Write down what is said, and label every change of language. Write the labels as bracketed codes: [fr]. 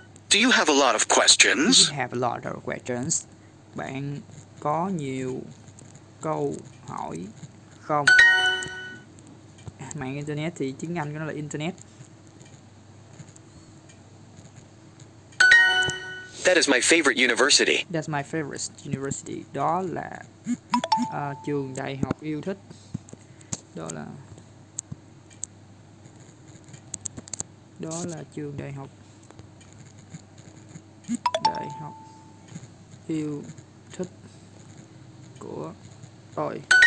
[en] Do you have a lot of questions? You have a lot of questions. [vi] Bạn có nhiều câu hỏi không? Mạng internet thì tiếng Anh của nó là internet. [en] That is my favorite university. That's my favorite university. [vi] Đó là trường đại học yêu thích. Đó là trường đại học yêu thích của tôi.